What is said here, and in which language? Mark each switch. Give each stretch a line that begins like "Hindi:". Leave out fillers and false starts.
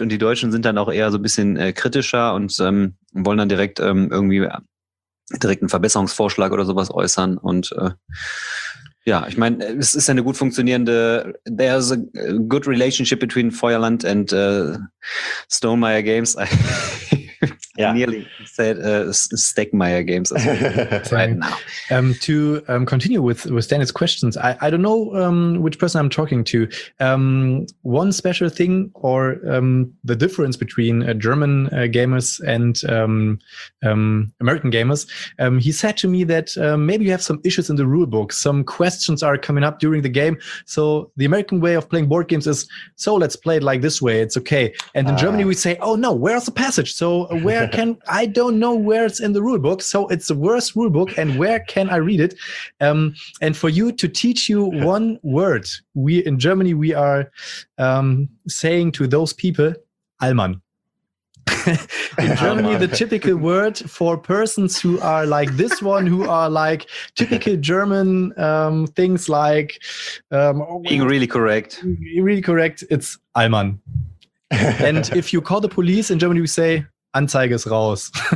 German: Und die Deutschen sind dann auch eher so ein bisschen kritischer und wollen dann direkt direkt einen Verbesserungsvorschlag oder sowas äußern. Und ja, ich meine, es ist eine gut funktionierende,
English: there's a good relationship between Feuerland and Stonemaier Games. Yeah. Nearly said Stegmeier Games. Right now. To continue with Daniel's questions, I don't know which person I'm talking to. One special thing or the difference between German gamers and American gamers, he said to me that maybe you have some issues in the rule book. Some questions are coming up during the game. So the American way of playing board games is, so let's play it like this way. It's okay. And in Germany, we say, oh no, where is the passage? So where can I don't know where it's in the rule book, so it's the worst rule book, and where can I read it? And for you to teach you one word, we in Germany we are saying to those people, Allmann. In Germany, the typical word for persons who are like this one, who are like typical German things like being really correct. Really correct, it's Allmann. And if you call the police in Germany, we say
German: Anzeige ist raus.